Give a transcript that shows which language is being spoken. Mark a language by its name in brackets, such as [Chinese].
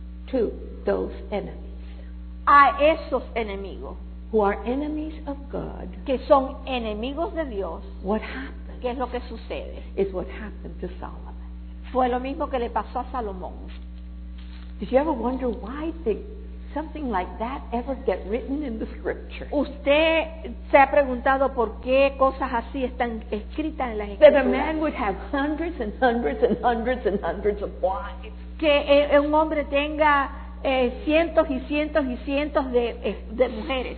[English] To those enemies. [Spanish] A esos enemigos. [English] who are enemies of God, [Spanish] que son enemigos de Dios, [English] what happens, [Spanish] que es lo que sucede, [English] is what happened to Solomon. [Spanish] Fue lo mismo que le pasó a Salomón. [English] Did you ever wonder why something like that ever get written in the scripture? [Spanish] ¿Usted se ha preguntado por qué cosas así están escritas en las escrituras? [English] That a man would have hundreds and hundreds and hundreds and hundreds of wives. [Spanish] Que un hombre tenga cientos y cientos y cientos de mujeres.